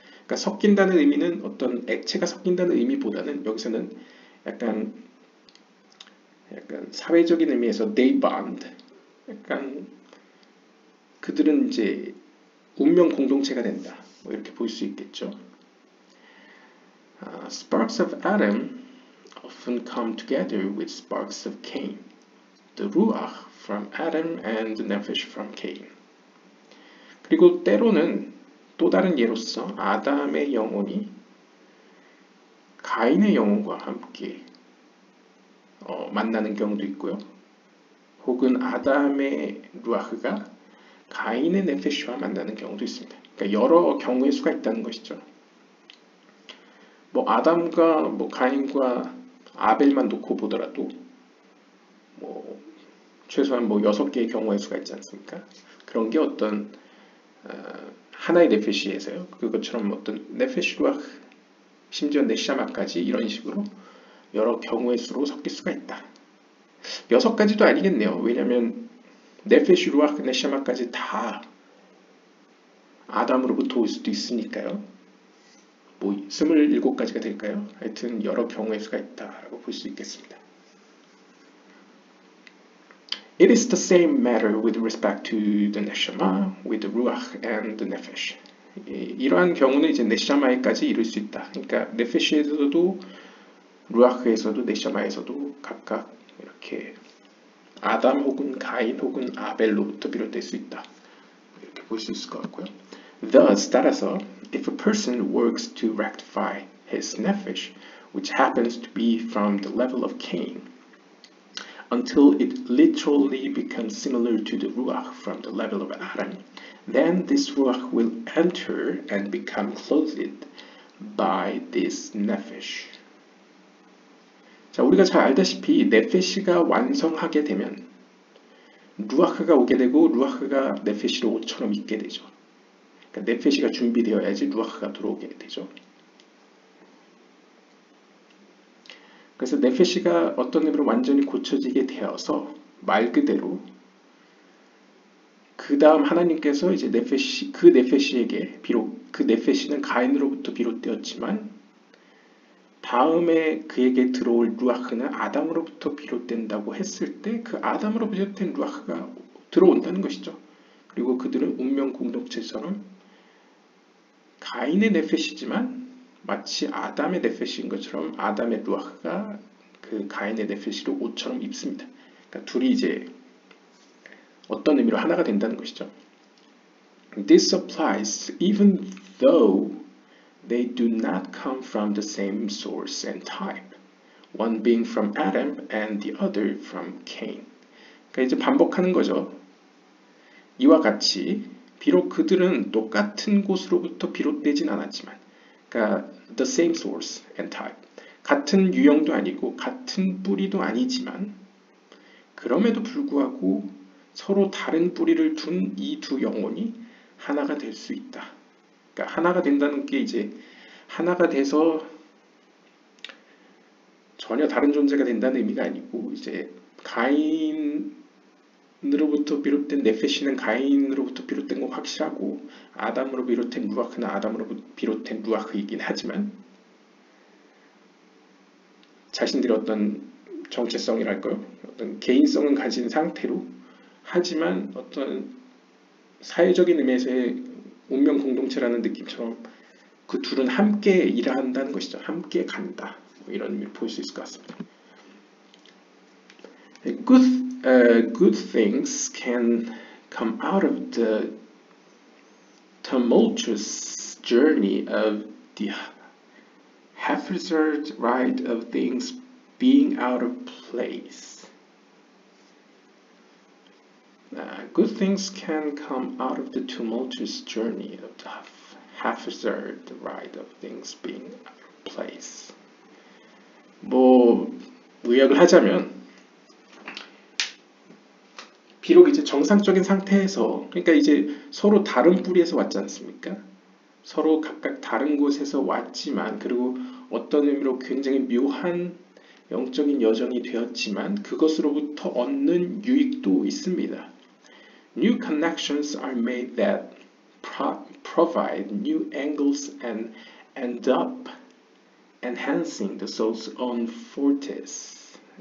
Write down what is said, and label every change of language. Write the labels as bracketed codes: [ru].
[ko] 그러니까 섞인다는 의미는 어떤 액체가 섞인다는 의미보다는 여기서는 약간 사회적인 의미에서 [en] they bond, [ko] 약간 그들은 이제 운명 공동체가 된다, 뭐 이렇게 볼수 있겠죠. [en] Sparks of Adam often come together with sparks of Cain, the ruach from Adam and the nefesh from Cain. [ko] 그리고 때로는 또 다른 예로서 아담의 영혼이 가인의 영혼과 함께 만나는 경우도 있고요. 혹은 아담의 루아흐가 가인의 네페쉬와 만나는 경우도 있습니다. 그러니까 여러 경우의 수가 있다는 것이죠. 뭐 아담과 뭐 가인과 아벨만 놓고 보더라도 뭐 최소한 뭐 6개의 경우의 수가 있지 않습니까? 그런 게 어떤 하나의 네피시에서요. 그것처럼 어떤 네피시와 심지어 네시아마까지 이런 식으로 여러 경우의 수로 섞일 수가 있다. 여섯 가지도 아니겠네요. 왜냐하면 네피시와 네시아마까지 다 아담으로부터 올 수도 있으니까요. 뭐 27가지가 될까요? 하여튼 여러 경우의 수가 있다라고 볼수 있겠습니다. [en] It is the same matter with respect to the neshama, with the ruach and the nefesh. [ko] 이러한 경우는 이제 neshama에까지 이룰 수 있다. 그러니까 nefesh에서도, ruach에서도, neshama에서도 각각 이렇게 아담 혹은 가인 혹은 아벨로부터 비롯될 수 있다. 이렇게 볼수 있을 것 같고요. [en] Thus, [ko] 따라서, [en] if a person works to rectify his nefesh, which happens to be from the level of Cain, until it literally becomes similar to the ruach from the level of Adam, then this ruach will enter and become clothed by this nefesh. [ko] 자, 우리가 잘 알다시피 네페시가 완성하게 되면 루아크가 오게 되고 루아크가 네페시로 옷처럼 입게 되죠. 그러니까 네페시가 준비되어야지 루아크가 들어오게 되죠. 그래서 네페시가 어떤 의미로 완전히 고쳐지게 되어서 말 그대로 그 다음 하나님께서 이제 네페시 그 네페시에게 비록 그 네페시는 가인으로부터 비롯되었지만 다음에 그에게 들어올 루아크는 아담으로부터 비롯된다고 했을 때그 아담으로 비롯된 루아크가 들어온다는 것이죠. 그리고 그들은 운명 공동체처럼 가인의 네페시지만 마치 아담의 네페시인 것처럼 아담의 루아크가 그 가인의 네페시로 옷처럼 입습니다. 그러니까 둘이 이제 어떤 의미로 하나가 된다는 것이죠. [en] This applies even though They do not come from the same source and type, one being from Adam and the other from Cain. [ko] 그러니까 이제 반복하는 거죠. 이와 같이 비록 그들은 똑같은 곳으로부터 비롯되진 않았지만, 그러니까 [en] the same source and type, [ko] 같은 유형도 아니고 같은 뿌리도 아니지만 그럼에도 불구하고 서로 다른 뿌리를 둔이두 영혼이 하나가 될수 있다. 그러니까 하나가 된다는 게 이제 하나가 돼서 전혀 다른 존재가 된다는 의미가 아니고 이제 가인으로부터 비롯된 네페시는 가인으로부터 비롯된 건 확실하고 아담으로 비롯된 루아크는 아담으로 비롯된 루아크이긴 하지만 자신들의 어떤 정체성이랄까요? 어떤 개인성은 가진 상태로 하지만 어떤 사회적인 의미에서의 운명 공동체라는 느낌처럼 그 둘은 함께 일한다는 것이죠. 함께 간다. 뭐 이런 의미를 볼수 있을 것 같습니다. [en] Good things can come out of the tumultuous journey of the haphazard ride of things being out of place. Good things can come out of the tumultuous journey of the haphazard ride of things being out of place. [ko] 뭐 요약을 하자면 비록 이제 정상적인 상태에서 그러니까 이제 서로 다른 뿌리에서 왔지 않습니까? 서로 각각 다른 곳에서 왔지만 그리고 어떤 의미로 굉장히 묘한 영적인 여정이 되었지만 그것으로부터 얻는 유익도 있습니다. [en] New connections are made that provide new angles and end up enhancing the soul's own fortis.